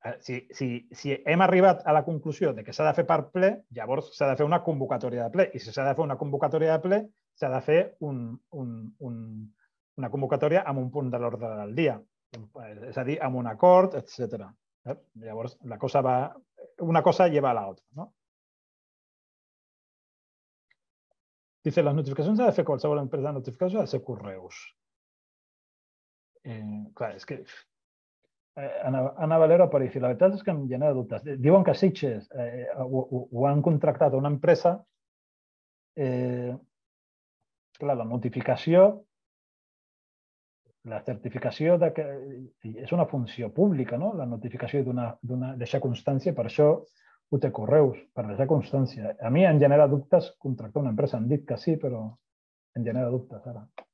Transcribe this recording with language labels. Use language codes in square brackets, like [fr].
[ca] Si hem arribat a la conclusió de que s'ha de fer per ple, llavors s'ha de fer una convocatòria de ple. I si s'ha de fer una convocatòria de ple, s'ha de fer una convocatòria amb un punt de l'ordre del dia. És a dir, amb un acord, etc. Llavors, la cosa va... Una cosa lleva a l'altra, no? Dice, les notificacions ha de fer qualsevol empresa de notificació, ha de ser correus. Clar, és que... [es] Ana Valero aparece, la verdad es que me llena de dudas. [ca] Diuen que Sitges ho han contractat a una empresa. Clar, la notificació, la certificació de que és una funció pública, no? La notificació d'una deixar constància, per això ho té correus, per deixar constància. A mi em genera dubtes contractar una empresa. Han dit que sí, però em genera dubtes ara.